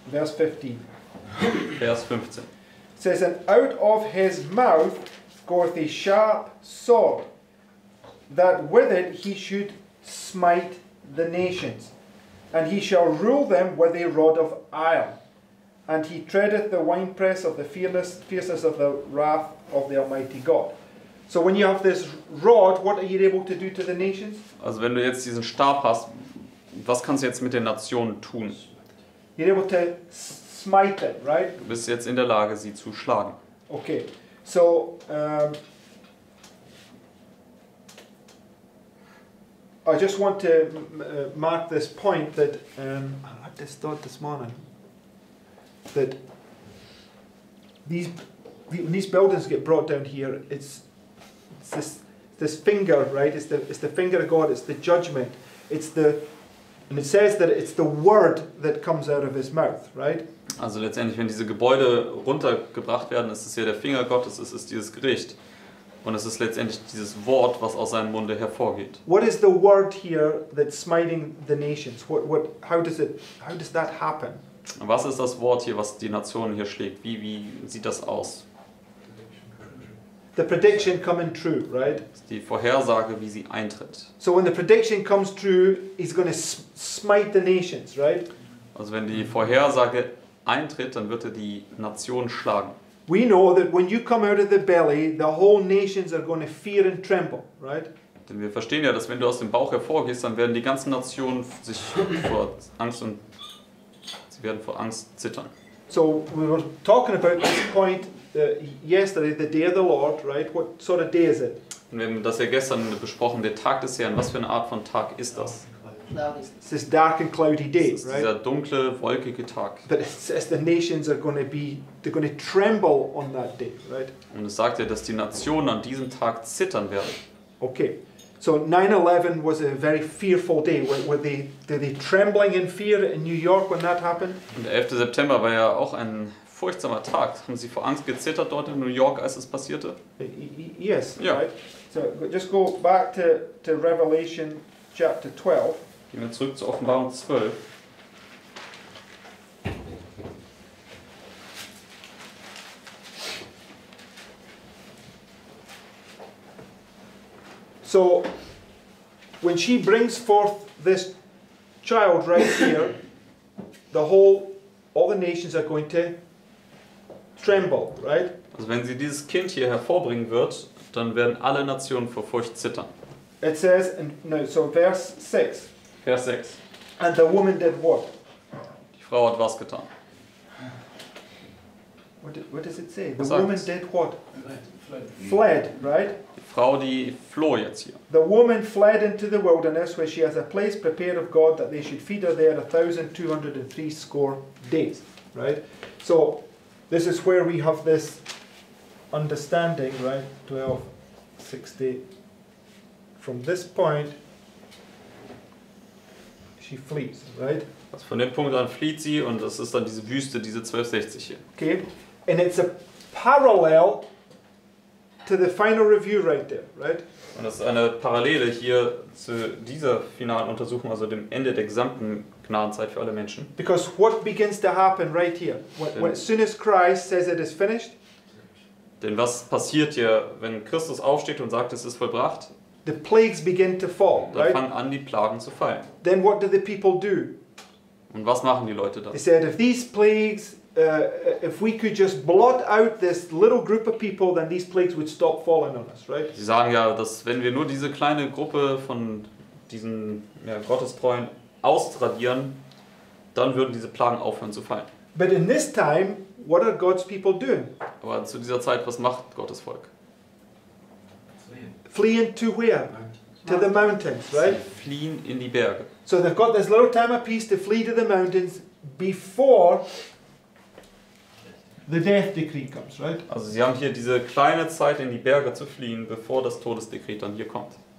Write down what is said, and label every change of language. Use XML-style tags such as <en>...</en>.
<en>It says, and out of his mouth goeth a sharp sword, that with it he should smite the nations, and he shall rule them with a rod of iron, and he treadeth the winepress of the fierceness of the wrath of the Almighty God. So when you have this rod, what are you able to do to the nations?</en> <de>Also wenn du jetzt diesen Stab hast, was kannst du jetzt mit den Nationen tun?</de> <en>You're able to smite them, right?</en> <de>Du bist jetzt in der Lage, sie zu schlagen.</de> <en>Okay, so I just want to mark this point that I had this thought this morning that when these buildings get brought down here, it's this finger, right? It's the finger of God. It's the judgment. And it says that it's the word that comes out of his mouth, right?</en> <de>Also letztendlich, wenn diese Gebäude runtergebracht werden, ist es ja der Finger Gottes, es ist dieses Gericht. Und es ist letztendlich dieses Wort, was aus seinem Munde hervorgeht.</de> <en>What is the word here that's smiting the nations? How does that happen?</en> <de>Was ist das Wort hier, was die Nationen hier schlägt? Wie sieht das aus?</de> <en>The prediction coming true, right?</en> <de>Die Vorhersage, wie sie eintritt.</de> <en>So when the prediction comes true, he's going to smite the nations, right?</en> <de>Also wenn die Vorhersage eintritt, dann wird die Nation schlagen.</de> <en>We know that when you come out of the belly, the whole nations are going to fear and tremble, right?</en> <de>Denn wir verstehen ja, dass wenn du aus dem Bauch hervorgehst, dann werden die ganzen Nationen sich vor Angst und sie werden vor Angst zittern.</de> <en>So we were talking about this point yesterday, the day of the Lord, right? What sort of day is it?</en> <de>Und wir haben das ja gestern besprochen, der Tag des Herrn. Was für eine Art von Tag ist das?</de> <en>It's this dark and cloudy day, right?</en> <de>Es ist dieser dunkle, wolkige Tag.</de> <en>But it says the nations are going to be, they're going to tremble on that day, right?</en> <de>Und es sagt ja, dass die Nationen an diesem Tag zittern werden.</de> <en>Okay, so 9/11 was a very fearful day. Were they trembling in fear in New York when that happened?</en> <de>Und der 11. September war ja auch ein furchtsamer Tag. Haben Sie vor Angst gezittert dort in New York, als es passierte?</de> <en>Yes,</en> <de>ja.</de> <en>Right. So just go back to Revelation chapter 12.</en> <de>Gehen wir zurück zu Offenbarung 12.</de> <en>So, when she brings forth this child right here, all the nations are going to tremble, right?</en> <de>Also wenn sie dieses Kind hier hervorbringen wird, dann werden alle Nationen vor Furcht zittern.</de> <en>It says, Verse 6.</en> <de>Vers 6.</de> <en>And the woman did what?</en> <de>Die Frau hat was getan?</de> <en>What does it say? The woman did what? Fled, right?</en> <de>Die Frau, die floh jetzt hier.</de> <en>The woman fled into the wilderness, where she has a place prepared of God, that they should feed her there 1,260 days, right? So, this is where we have this understanding, right? 12:60. From this point, she flees, right?</en> <de>Also von dem Punkt an flieht sie und das ist dann diese Wüste, diese 1260 hier.</de> <en>Okay, and it's a parallel to the final review right there, right?</en> <de>Und das ist eine Parallele hier zu dieser finalen Untersuchung, also dem Ende der gesamten Gnadenzeit für alle Menschen.</de> <en>Because what begins to happen right here? When as soon as Christ says it is finished?</en> <de>Denn was passiert hier, wenn Christus aufsteht und sagt, es ist vollbracht?</de> <en>The plagues begin to fall, right?</en> <de>Dann fangen an, die Plagen zu fallen.</de> <en>Then what do the people do?</en> <de>Und was machen die Leute dann?</de> <en>They said, if these plagues, if we could just blot out this little group of people, then these plagues would stop falling on us, right?</en> <de>Sie sagen ja, dass wenn wir nur diese kleine Gruppe von diesen Gottestreuen austradieren, dann würden diese Plagen aufhören zu fallen.</de> <en>But in this time, what are God's people doing?</en> <de>Aber zu dieser Zeit, was macht Gottes Volk?</de> <en>Fleeing to where? To the mountains, right?</en> <de>Sie fliehen in die Berge.</de> <en>So they've got this little time of peace to flee to the mountains before the death decree comes, right?</en> <de>Also sie haben hier diese kleine Zeit in die Berge zu fliehen, bevor das Todesdekret dann hier kommt.</de>